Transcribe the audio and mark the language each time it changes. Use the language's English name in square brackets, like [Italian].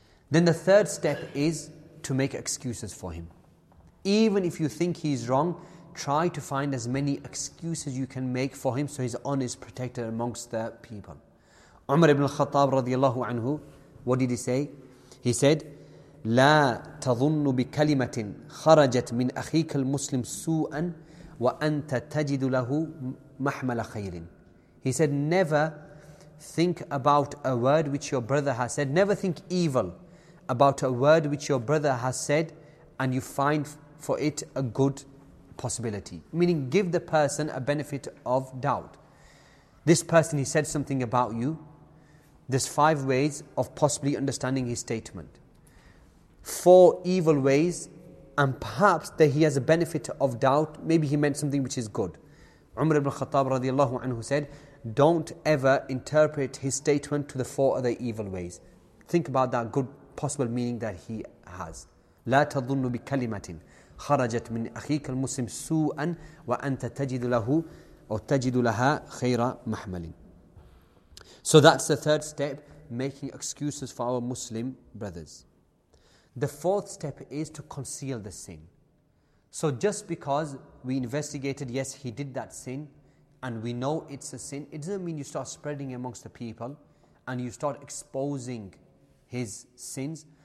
[English] Then the third step is to make excuses for him. Even if you think he is wrong, try to find as many excuses you can make for him so his honor is protected amongst the people. Umar ibn al-Khattab radiallahu anhu, what did he say? He said, [Arabic] لا تظن بكلمة خرجت من أخيك المسلم سوءا وأنت تجد له محمل خير. [English] He said, never think about a word which your brother has said. Never think evil about a word which your brother has said and you find for it a good possibility. Meaning, give the person a benefit of doubt. This person, he said something about you. There's five ways of possibly understanding his statement. Four evil ways, and perhaps that he has a benefit of doubt. Maybe he meant something which is good. Umar ibn Khattab radiallahu anhu said, don't ever interpret his statement to the four other evil ways. Think about that good possible meaning that he has. [Arabic] لا تظن بكلمة خرجت من أخيك المسلم سوءا وأنت تجد له أو تجد لها خيرا محملا. [English] So that's the third step, making excuses for our Muslim brothers. The fourth step is to conceal the sin. So just because we investigated, yes, he did that sin, and we know it's a sin, it doesn't mean you start spreading amongst the people and you start exposing his sins.